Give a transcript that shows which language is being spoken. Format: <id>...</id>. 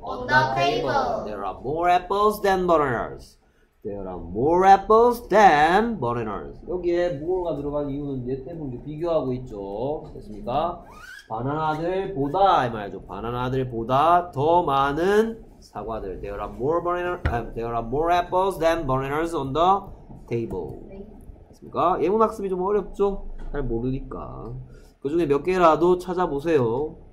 <en>On the table. There are more apples than bananas. There are more apples than bananas.</en> <ko>여기에 more가 들어간 이유는 얘 때문에 비교하고 있죠. 됐습니까? 바나나들보다, 이 말이죠. 바나나들보다 더 많은 사과들.</ko> <en>There are more bananas, there are more apples than bananas on the table.</en> <ko>됐습니까? 예문 학습이 좀 어렵죠? 잘 모르니까. 그 중에 몇 개라도 찾아보세요.</ko>